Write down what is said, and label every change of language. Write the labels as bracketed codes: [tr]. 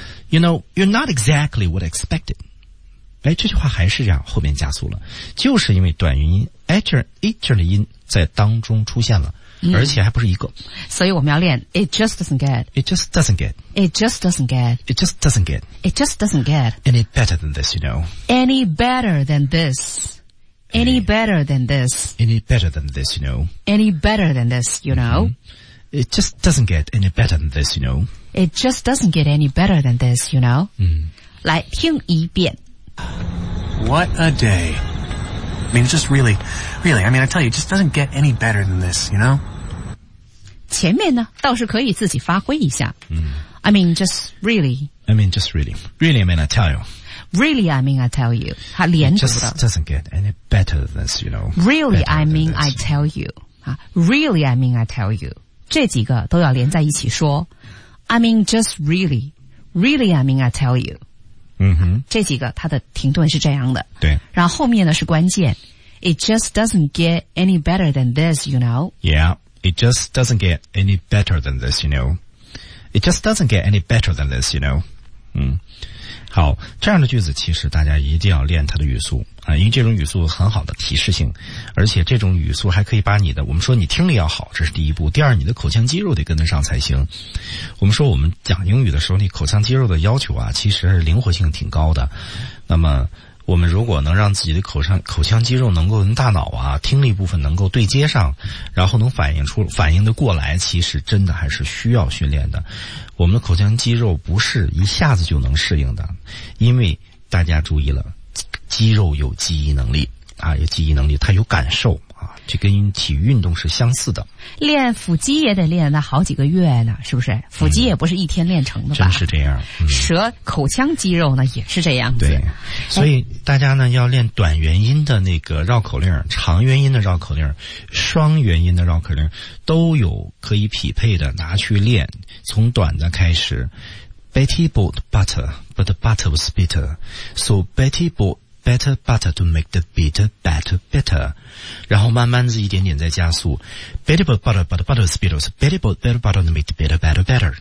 [en] You know, you're not exactly what I expected. [zh] 哎，这句话还是这样，后面加速了，就是因为短元音 ager 的音在当中出现了，而且还不是一个。所以我们要练 [en] it just doesn't get. It just doesn't get. It just doesn't get. It just doesn't get. It just doesn't get. Any better than this, you know? Any better than this? Any better than this? Any better than this, you know? Any better than this, you know? It just doesn't get any better than this, you know? It just doesn't get any better than this, you know? [zh] 来听一遍。 [en] What a day. I mean, just really, really, I mean, I tell you, it just doesn't get any better than this, you know? [zh] 前面呢倒是可以自己发挥一下。 [en] I mean, just really. I mean, just really. Really, I mean, I tell you. Really, I mean, I tell you. [zh] 它连读的。 [en] It just doesn't get any better than this, you know? Really, I mean, I tell you. Really, I mean, I tell you. [zh] 这几个都要连在一起说。 [en] I mean, just really. Really, I mean, I tell you. [zh] 这几个它的停顿是这样的。对。然后后面呢是关键。 [en] It just doesn't get any better than this, you know? Yeah, it just doesn't get any better than this, you know? It just doesn't get any better than this, you know? [zh] 好，这样的句子其实大家一定要练它的语速啊，因为这种语速很好的提示性，而且这种语速还可以把你的，我们说你听力要好，这是第一步，第二你的口腔肌肉得跟得上才行。我们说我们讲英语的时候，你口腔肌肉的要求啊，其实灵活性挺高的。那么我们如果能让自己的口腔肌肉能够跟大脑啊听力部分能够对接上，然后能反应得过来，其实真的还是需要训练的。我们的口腔肌肉不是一下子就能适应的，因为大家注意了，肌肉有记忆能力啊，有记忆能力，它有感受啊，这跟体育运动是相似的。练腹肌也得练那好几个月呢，是不是？腹肌也不是一天练成的吧？真是这样。舌口腔肌肉呢也是这样子。对，所以大家呢要练短元音的那个绕口令，长元音的绕口令，双元音的绕口令，都有可以匹配的，拿去练。从短的开始 [en] ，Betty bought butter, but the butter was bitter, so Betty bought better butter to make the bitter butter bitter. [zh] 然后慢慢的一点点在加速 [en] ，Betty bought butter, but the butter was bitter, so Betty bought better butter to make the bitter butter bitter.